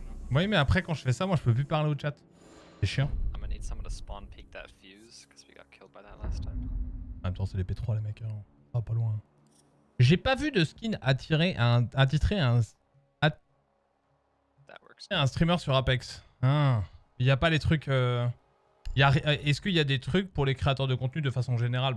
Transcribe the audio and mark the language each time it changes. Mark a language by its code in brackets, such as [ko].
[fr] Oui, mais après, quand je fais ça, moi je peux plus parler au chat. C'est chiant. [en] I'm gonna need someone to spawn peek that fuse, because we got killed by that last time. [fr] En même temps, c'est les P3, les mecs. Hein. Ah, pas loin. J'ai pas vu de skin attitré à un streamer sur Apex. Il y a pas les trucs... Est-ce qu'il y a des trucs pour les créateurs de contenu de façon générale?